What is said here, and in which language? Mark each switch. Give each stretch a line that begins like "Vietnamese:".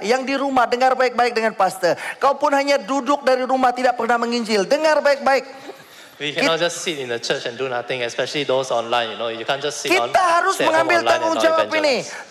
Malay: Yang di rumah, dengar baik-baik dengan pastor. Kau pun hanya duduk dari rumah, tidak pernah menginjil. Dengar baik-baik.
English: We cannot just sit in the church and do nothing, especially those online, you know. You can't just sit
Malay: kita Kita harus mengambil tanggung jawab ini.